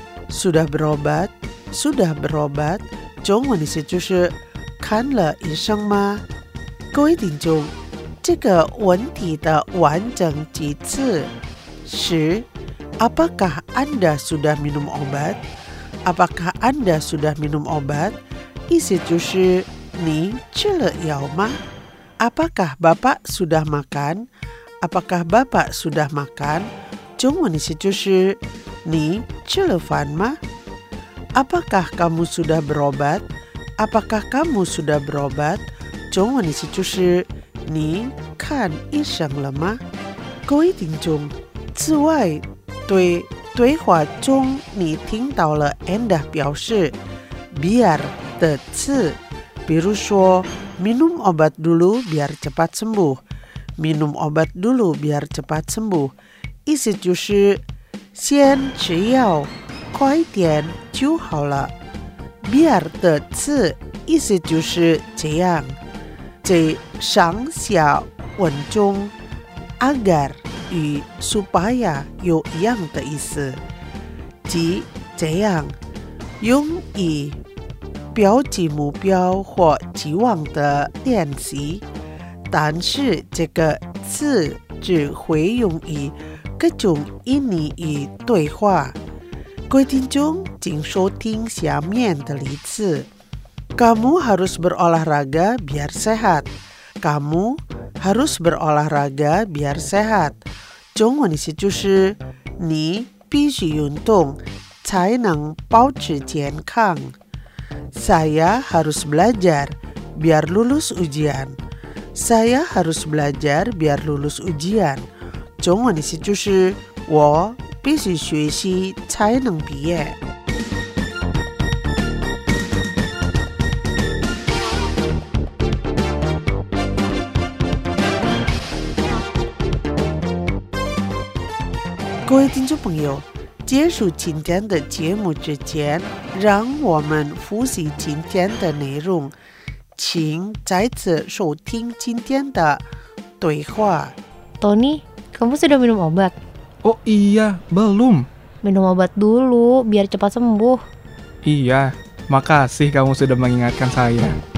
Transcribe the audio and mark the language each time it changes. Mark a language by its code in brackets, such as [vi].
[id] Sudah berobat? Sudah berobat? [zh] 中文意思就是看了医生吗？各位听众，这个问题的完整几次是 [id] Apakah Anda sudah minum obat? Apakah Anda sudah minum obat? [zh] 意思就是你吃了药吗？ [id] Apakah Bapak sudah makan? Apakah Bapak sudah makan? [zh] 中文意思就是你吃了饭吗？ [id] Apakah kamu sudah berobat? Apakah kamu sudah berobat? [zh] 中文意思就是你看医生了吗？各位听众，此外对对话中你听到了 Anda 表示 biar 的词，比如说 [id] minum obat dulu biar cepat sembuh， [zh] minum obat dulu biar cepat sembuh，意思就是先吃药，快点就好了。 biar 的词意思就是这样。在上下文中 agar 与 supaya 有一样的意思，即这样，用以标记目标或期望的练习。但是这个词只会用于各种印尼语对话。各位听众，请收听下面的例子。 [id] Kamu harus berolahraga biar sehat. Kamu harus berolahraga biar sehat. [zh] 中文意思就是你必须运动才能保持健康。 [id] Saya harus belajar biar lulus ujian. Saya harus belajar biar lulus ujian. [zh] 中文意思就是我必须学习才能毕业。各位听众朋友，结束今天的节目之前，让我们复习今天的内容，请再次收听今天的对话。 [id] Tony, kamu sudah minum obat? Oh iya, belum. Minum obat dulu, biar cepat sembuh. Iya, makasih kamu sudah mengingatkan saya.